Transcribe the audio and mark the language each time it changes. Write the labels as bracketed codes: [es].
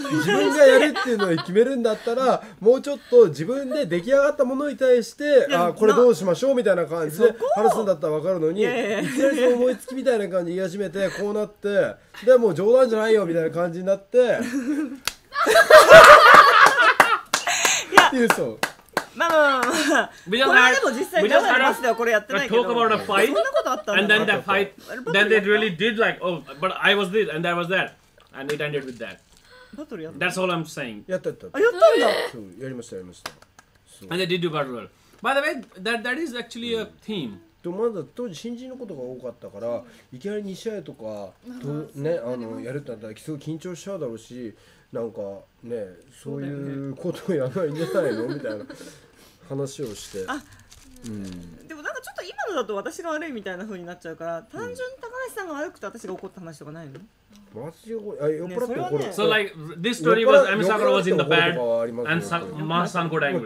[ja] に対して、自分がやるっていうのは決めるんだったら、もうちょっと自分で出来上がったものに対して、あ、これどうしましょうみたいな感じで話すんだったら分かるのに、いきなり思いつきみたいな感じで言い始めて、こうなって、でもう冗談じゃないよみたいな感じになっていや、言うそう、まあまあまあ、これでも実際名古屋でバスではこれやってないけど、 [en] talk about a fight, [ja] そんなことあったんだ。 [en] And then that fight, then they really did like, oh, but I was this and I was that, and it ended with that. [ja] バトルやった [en] 。 That's all I'm saying. [ja] やったやった。あ、やったんだ。そう、やりました、やりました。そう。 [en] And they did do battle. By the way, that is actually a theme. [ja] と、まだ当時新人のことが多かったから、いきなり2試合とか、とね、やるってなったら、すごい緊張しちゃうだろうし、なんかね、そういうことをやらないんじゃないのみたいな話をして。あ、うん、でもなんかちょっと今のだと私が悪いみたいな風になっちゃうから、単純に高橋さんが悪くて私が怒った話とかないの？マジで怒る、酔っ払って怒る、ね、 [en] So like this story was Ami Sakura was in the bad and Masan got angry。